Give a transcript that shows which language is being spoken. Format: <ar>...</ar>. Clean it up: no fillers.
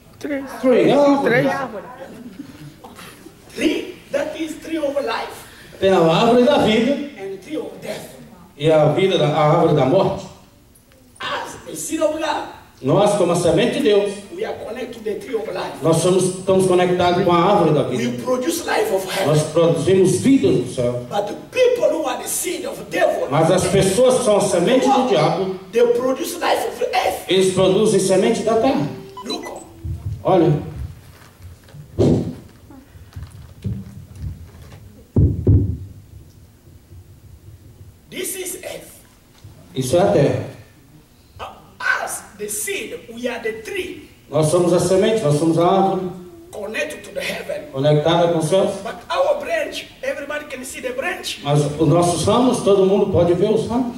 <en>Tree. Tree.</en> <pt>Árvore.</pt> <en>Tree. That is tree of life.</en> <pt>Tem a árvore da vida.</pt> <en>And tree of death.</en> <pt>E a vida da árvore da morte.</pt> <en>As the seed of God.</en> <pt>Nós, como a semente de Deus,</pt> <en>we are connected to the tree of life.</en> <pt>Nós estamos conectados com a árvore da vida.</pt> <en>We produce life of heaven.</en> <pt>Nós produzimos vida do céu.</pt> <en>But the people who are the seed of devil,</en> <pt>mas as pessoas que são a semente do diabo,</pt> <en>they produce life of earth.</en> <pt>Eles produzem semente da terra.</pt> <en>Look.</en> <pt>Olha.</pt> <en>This is earth.</en> <pt>Isso é a terra.</pt> <en>The seed, we are the tree.</en> <pt>Nós somos a semente, nós somos a árvore.</pt> <en>Connected to the heaven.</en> <pt>Conectada com o céu.</pt> <en>But our branch, everybody can see the branch.</en> <pt>Mas os nossos ramos, todo mundo pode ver os ramos.</pt>